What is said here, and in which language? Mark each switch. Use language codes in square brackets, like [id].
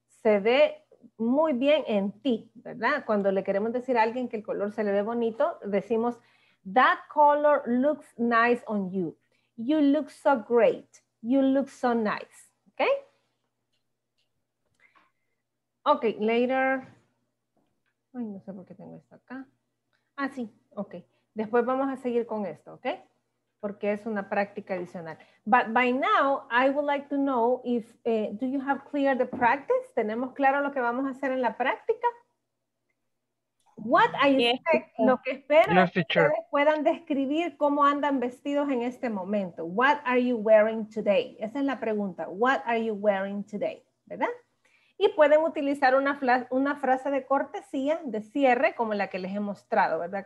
[es] Se ve muy bien en ti, ¿verdad? Cuando le queremos decir a alguien que el color se le ve bonito, decimos, [en] that color looks nice on you. You look so great. You look so nice. ¿Okay? Ok, later. [es] Ay, no sé por qué tengo esto acá. Ah, sí, ok. Después vamos a seguir con esto, ¿ok? porque es una práctica adicional. [en] But by now, I would like to know if, do you have clear the practice? [es] ¿Tenemos claro lo que vamos a hacer en la práctica? [en] What I expect, [es] lo que espero es que ustedes puedan describir cómo andan vestidos en este momento. [en] What are you wearing today? [es] Esa es la pregunta. [en] What are you wearing today? ¿Verdad? [es] Y pueden utilizar una frase de cortesía, de cierre, como la que les he mostrado, ¿verdad?